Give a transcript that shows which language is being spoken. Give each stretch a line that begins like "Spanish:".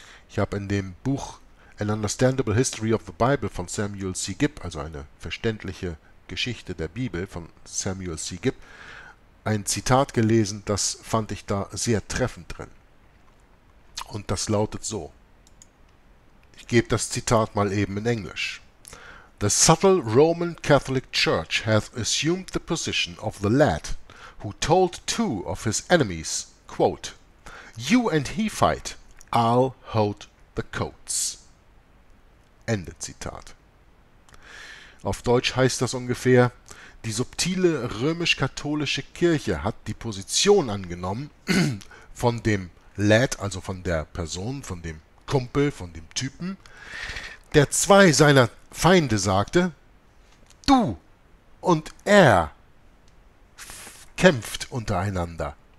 German: Ich habe in dem Buch An Understandable History of the Bible von Samuel C. Gibb, also eine verständliche Geschichte der Bibel von Samuel C. Gibb, ein Zitat gelesen, das fand ich da sehr treffend drin. Und das lautet so. Ich gebe das Zitat mal eben in Englisch.
English: The subtle Roman Catholic Church hath assumed the position of the lad who told two of his enemies, quote, you and he fight, I'll hold the coats.
German: Ende Zitat. Auf Deutsch heißt das ungefähr, die subtile römisch-katholische Kirche hat die Position angenommen von dem Lad, also von der Person, von dem Kumpel, von dem Typen, der zwei seiner Feinde sagte, du und er kämpft untereinander.